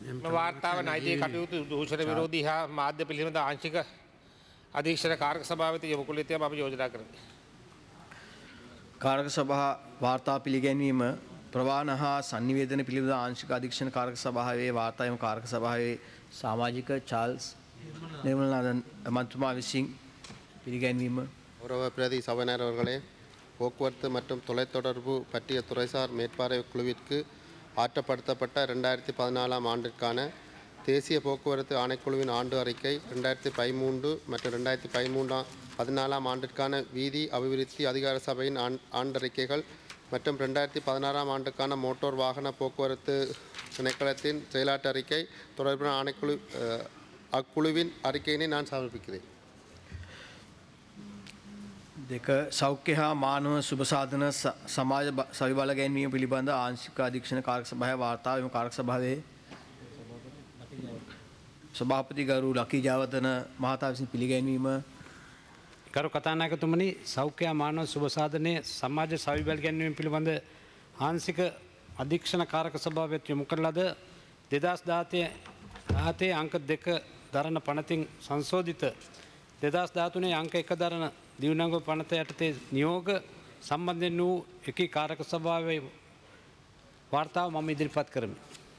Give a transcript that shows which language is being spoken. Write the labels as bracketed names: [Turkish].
[Sinhala] මේ වාර්තාව නයිජී කටයුතු දූෂණ විරෝධී හා මාධ්‍ය පිළිබඳ ආංශික අධීක්ෂණ කාර්ක සභාවත යොමු කළ යුතුය මම යෝජනා කරමි. කාර්ක සභා වාර්තා පිළිගැන්වීම ප්‍රවාහන හා සංනිවේදන පිළිබඳ ආංශික අධීක්ෂණ කාර්ක සභාවේ වාර්තා එම කාර්ක සභාවේ සමාජික චාල්ස් නිර්මලනාදන් මන්ත්‍රීතුමා විසින් පිළිගැන්වීම. [Tamil] ගෞරව ප්‍රදී සභානායකර අවර්களே, போக்குவரத்து மற்றும் தொலைத்தொடர்பு பற்றிய துறைசார் மேற்பார்வை குழுவிற்கு ஆற்றப்படுத்தப்பட்ட 2014 ஆண்டிற்கான தேசிய போக்குவரத்து ஆணைக்குழுவின் ஆண்டு அறிக்கை 2013 மற்றும் 2014 ஆண்டிற்கான வீதி அபிவிருத்தி அதிகார சபையின் ஆண்டறிக்கைகள் மற்றும் 2016 ஆண்டுக்கான மோட்டோர் வாகன போக்குவரத்து திணைக்களத்தின் செயலாட்டு அறிக்கை தொடர்பான ஆணைக்குழு அக்குழுவின் அறிக்கையினை நான் சமர்ப்பிக்கிறேன். [Sinhala] දෙක සෞඛ්‍ය හා මානව සුභසාධන සමාජ සවිබල ගැන්වීම පිළිබඳ ආංශික අධීක්ෂණ කාර්ක සභාය වාර්තාව එම කාර්ක සභාවේ සභාපති ගරු ලකී ජයවර්ධන මහතා විසින් පිළිගැන්වීම. ගරු කථානායකතුමනි, සෞඛ්‍ය හා මානව සුභසාධනයේ සමාජ සවිබල ගැන්වීම පිළිබඳ ආංශික අධීක්ෂණ කාර්ක සභාවත් යොමු කරලද 2017 අංක 2 දරන පනතින් සංශෝධිත 2013 අංක 1 දරන දිවුණංග පනත යටතේ නියෝග සම්බන්ධයෙන් වූ එකී කාරක සභාවේ වාර්තාව මම ඉදිරිපත් කරමි.